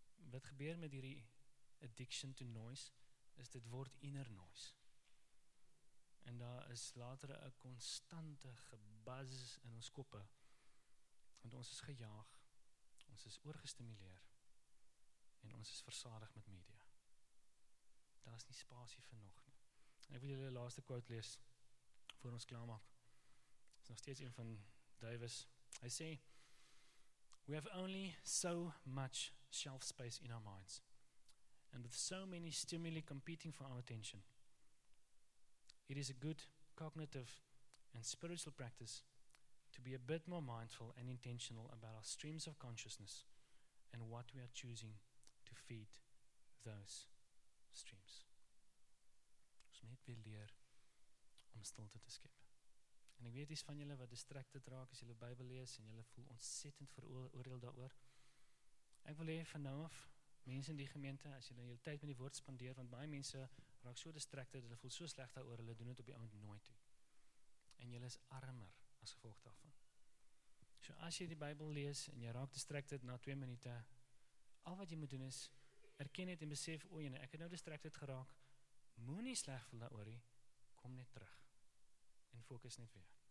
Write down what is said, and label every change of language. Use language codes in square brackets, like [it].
[af] Wat gebeur met hierdie [en] addiction to noise, [af] is dit word inner noise. En daar is later 'n konstante gebuzz in ons koppe, want ons is gejaag, ons is oorgestimuleer, en ons is versadig met media. Daar is nie spasie vir nog nie. En ek wil julle laaste quote lees, voor ons klaarmaak. Dit is nog steeds een van Davis. Hy sê, [en] we have only so much shelf space in our minds, and with so many stimuli competing for our attention, it is a good cognitive and spiritual practice to be a bit more mindful and intentional about our streams of consciousness and what we are choosing to feed those streams. [af] Ons moet weer leer om stilte te skep. En ek weet iets van julle wat distracted raak as julle Bybel lees en julle voel ontsettend veroordeel daaroor. Ek wil hê van nou af, mense in die gemeente, as julle julle tyd met die woord spandeer, want baie mense raak so distracted, hulle voel so sleg daaroor, hulle doen dit op die oomblik nooit toe. En julle is armer as gevolg daarvan. So as jy die Bybel lees en jy raak distracted na 2 minute, al wat jy moet doen is, erken het en besef, o jy, ek het nou distracted geraak, moenie sleg voel daaroor nie, kom net terug. en fokus net weer.